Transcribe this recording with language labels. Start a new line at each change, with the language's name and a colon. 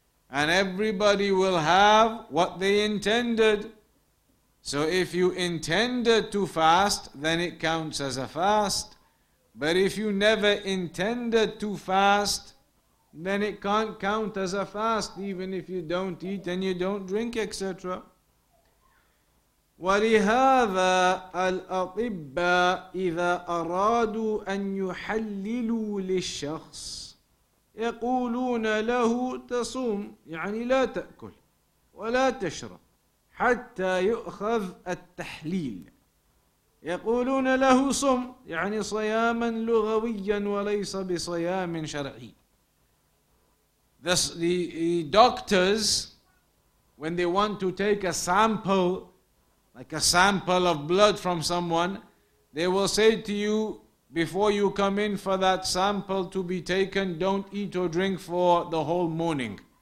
English: And everybody will have what they intended. So if you intended to fast, then it counts as a fast. But if you never intended to fast, then it can't count as a fast, even if you don't eat and you don't drink, etc.
Arabic: وَلِهَذَا الْأَطِبَّاءِ إِذَا أَرَادُوا أَنْ يُحَلِّلُوا لِلشَّخْصِ يَقُولُونَ لَهُ تَصُومْ يعني لا تأكل ولا تشرب حتى يؤخذ التحليل. يقولون له صم يعني صياما لغويا وليس بصيام شرعي.
English: The doctors, when they want to take a sample, like a sample of blood from someone, they will say to you, before you come in for that sample to be taken, don't eat or drink for the whole morning.